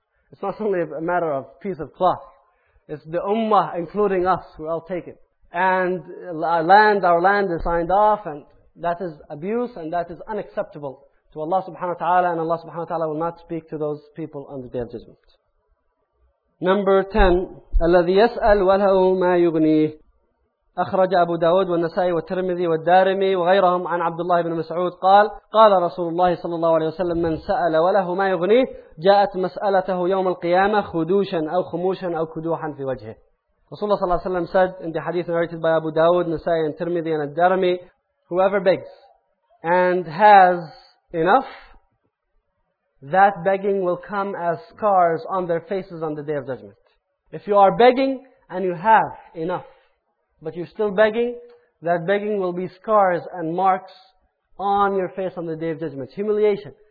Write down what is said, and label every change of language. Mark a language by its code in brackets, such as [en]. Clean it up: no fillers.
[en] It's not only a matter of piece of cloth. It's the ummah, including us, we all take it. And our land is signed off, and that is abuse, and that is unacceptable to Allah subhanahu wa ta'ala, and Allah subhanahu wa ta'ala will not speak to those people on the Day of Judgment. Number 10, [ar] الَّذِي يَسْأَلْ وَلَهُ مَا يُغْنِيهِ أخرج أبو داود والنسائي والترمذي والدارمي وغيرهم عن عبد الله بن مسعود قال قال رسول الله صلى الله عليه وسلم من سأل وله ما يغنيه جاءت مسألته يوم القيامة خدوشا أو خموشا أو كدوحا في وجهه. رسول الله صلى الله عليه وسلم [en] said in the hadith narrated by Abu Dawood, Nasa'i and Tirmidhi and Ad-Darimi, whoever begs and has enough, that begging will come as scars on their faces on the Day of Judgment. If you are begging and you have enough, but you're still begging, that begging will be scars and marks on your face on the Day of Judgment. Humiliation.